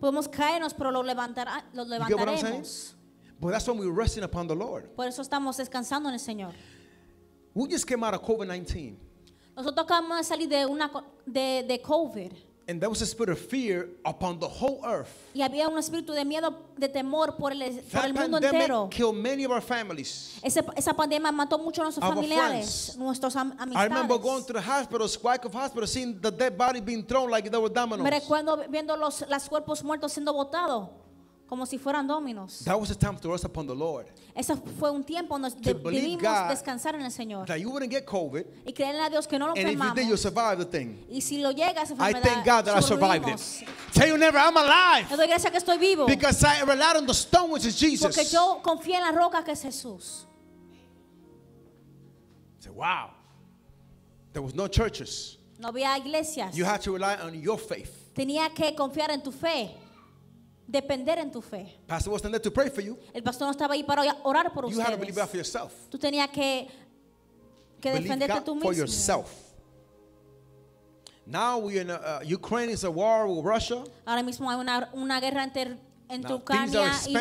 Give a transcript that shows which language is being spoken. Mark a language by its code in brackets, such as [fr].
[es] Podemos caernos, pero lo levantaremos. [en] You get what I'm saying? But that's when we're resting upon the Lord. [es] Por eso estamos descansando en el Señor. [en] We just came out of COVID-19. [es] Nosotros acabamos de salir de COVID. [en] And there was a spirit of fear upon the whole earth. [es] Y había un espíritu de miedo, de temor por el mundo entero. [en] That pandemic killed many of our families. [es] Esa pandemia mató mucho a nuestros familiares, nuestros amistades. [en] I remember going to the hospital, squawk of hospital, seeing the dead body being thrown like they were dominoes. [es] Me recuerdo viendo los cuerpos muertos siendo botados como si fueran dominos. [en] That was a time to rest upon the Lord. [es] Ese fue un tiempo donde debimos descansar en el Señor. [en] That you wouldn't get COVID. [es] Y creerle a Dios que no lo enfermamos. [en] And if you did, you survived the thing. [es] Y si lo llegas, [en] I thank God that I survived it. Tell you never, I'm alive. [es] Le doy gracias que estoy vivo. [en] Because I relied on the stone, which is Jesus. [es] Porque yo confié en la roca que es Jesús. [en] Say, wow. There was no churches. [es] No había iglesias. [en] You had to rely on your faith. [es] Tenía que confiar en tu fe. depender en tu fe. [en] Pastor wasn't there to pray for you. [es] El pastor no estaba ahí para orar por ustedes. [en] You had to believe God for yourself. [es] Tú tenías que defenderte tú mismo. [en] Believe God for yourself. Now we in Ukraine is a war with Russia. [es] Ahora mismo hay una guerra entre Ucrania y Rusia.